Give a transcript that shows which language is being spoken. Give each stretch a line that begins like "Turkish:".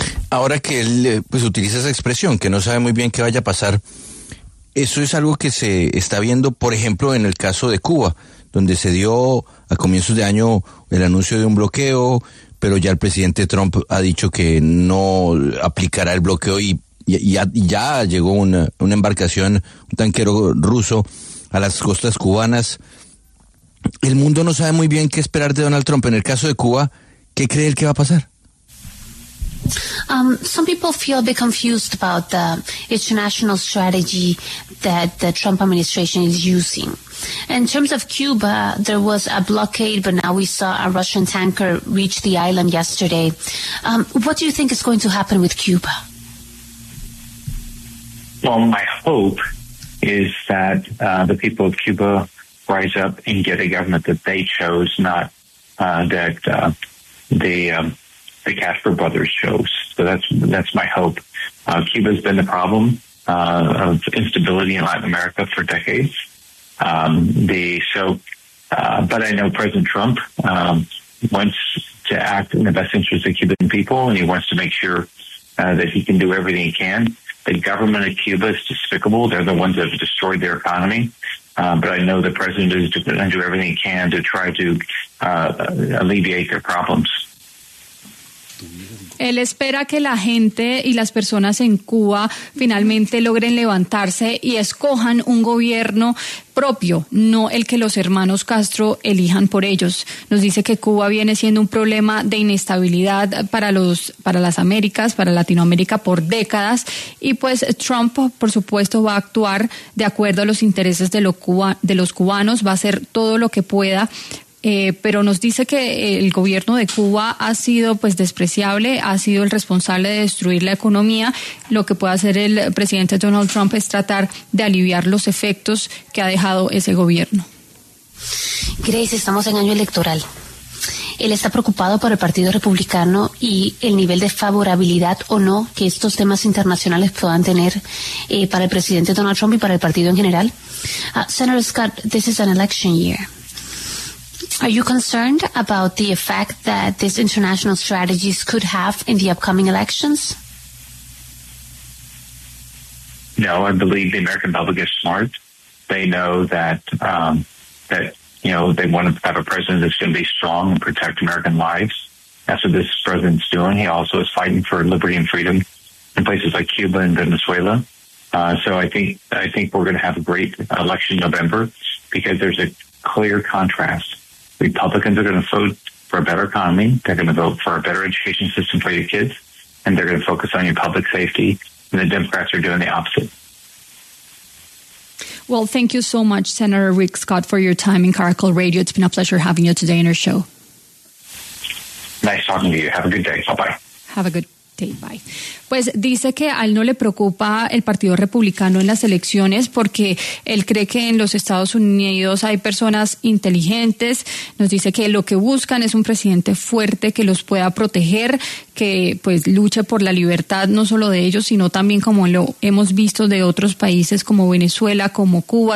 Spanish: Ahora que él pues utiliza esa expresión, que no sabe muy bien qué vaya a pasar, eso es algo que se está viendo, por ejemplo, en el caso de Cuba, donde se dio a comienzos de año el anuncio de un bloqueo, pero ya el presidente Trump ha dicho que no aplicará el bloqueo, y ya llegó una embarcación, un tanquero ruso, a las costas cubanas. El mundo no sabe muy bien qué esperar de Donald Trump. En el caso de Cuba, ¿qué cree él que va a pasar?
English: Some people feel a bit confused about the international strategy that the Trump administration is using. In terms of Cuba, there was a blockade, but now we saw a Russian tanker reach the island yesterday. What do you think is going to happen with Cuba? Well, my hope is that the people of Cuba rise up and get a government that they chose, not the Castro brothers chose. So that's my hope. Cuba's been the problem of instability in Latin America for decades. But I know President Trump wants to act in the best interest of the Cuban people, and he wants to make sure that he can do everything he can. The government of Cuba is despicable. They're the ones that have destroyed their economy. But I know the president is going to do everything he can to try to alleviate their problems.
Spanish: Él espera que la gente y las personas en Cuba finalmente logren levantarse y escojan un gobierno propio, no el que los hermanos Castro elijan por ellos. Nos dice que Cuba viene siendo un problema de inestabilidad para las Américas, para Latinoamérica por décadas, y pues Trump, por supuesto, va a actuar de acuerdo a los intereses de los cubanos, va a hacer todo lo que pueda. Pero nos dice que el gobierno de Cuba ha sido pues despreciable, ha sido el responsable de destruir la economía. Lo que puede hacer el presidente Donald Trump es tratar de aliviar los efectos que ha dejado ese gobierno. Grace, estamos en año electoral. Él está preocupado por el Partido Republicano y el nivel de favorabilidad o no que estos temas internacionales puedan tener para el presidente Donald Trump y para el partido en general.
English: Senator Scott, this is an election year. Are you concerned about the effect that these international strategies could have in the upcoming elections? No, I believe the American public is smart. They know that they want to have a president that's going to be strong and protect American lives. That's what this president's doing. He also is fighting for liberty and freedom in places like Cuba and Venezuela. So I think we're going to have a great election in November because there's a clear contrast. Republicans are going to vote for a better economy. They're going to vote for a better education system for your kids. And they're going to focus on your public safety. And the Democrats are doing the opposite. Well, thank you so much, Senator Rick Scott, for your time in Caracol Radio. It's been a pleasure having you today in our show. Nice talking to you. Have a good day. Bye-bye. Have a good day. Bye.
Spanish: Pues dice que a él no le preocupa el Partido Republicano en las elecciones porque él cree que en los Estados Unidos hay personas inteligentes. Nos dice que lo que buscan es un presidente fuerte que los pueda proteger, que pues luche por la libertad no solo de ellos, sino también como lo hemos visto de otros países como Venezuela, como Cuba.